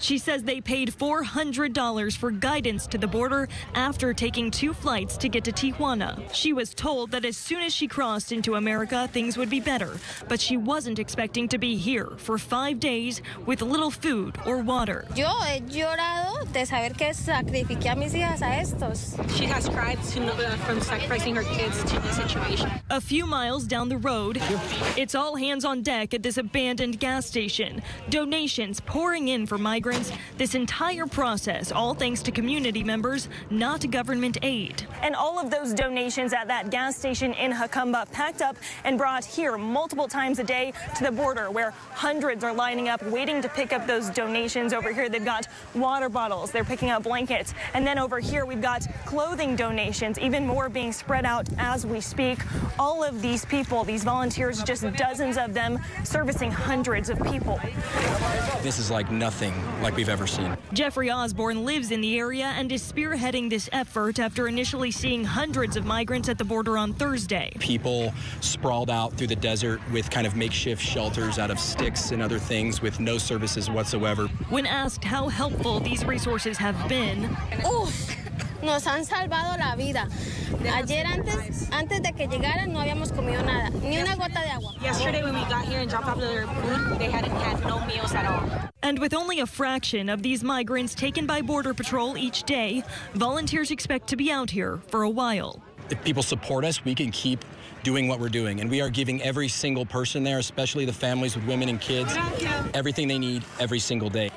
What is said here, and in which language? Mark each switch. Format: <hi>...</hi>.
<en>She says they paid $400 for guidance to the border after taking two flights to get to Tijuana. She was told that as soon as she crossed into America, things would be better, but she wasn't expecting to be here for 5 days with little food or water.</en> <es>Yo he llorado de saber que sacrifiqué a mis hijas a estos.</es> <en>She has cried from sacrificing her kids to this situation. A few miles down the road, it's all hands on deck at this abandoned gas station. Donations pouring in for migrants. This entire process, all thanks to community members, not government aid. And all of those donations at that gas station in Jacumba packed up and brought here multiple times a day to the border, where hundreds are lining up waiting to pick up those donations. Over here, they've got water bottles. They're picking up blankets. And then over here, we've got clothing donations, even more being spread out as we speak. All of these people, these volunteers, just dozens of them servicing hundreds of people. This is like nothing like we've ever seen. Jeffrey Osborne lives in the area and is spearheading this effort after initially seeing hundreds of migrants at the border on Thursday. People sprawled out through the desert with kind of makeshift shelters out of sticks and other things with no services whatsoever. When asked how helpful these resources have been,</en> <es>nos han salvado la vida. Ayer antes de que llegaran no habíamos comido nada, ni una gota de agua.</es> <en>Yesterday when we got here and dropped off their food, they hadn't had no meals at all. And with only a fraction of these migrants taken by Border Patrol each day, volunteers expect to be out here for a while. If people support us, we can keep doing what we're doing. And we are giving every single person there, especially the families with women and kids, everything they need every single day.</en>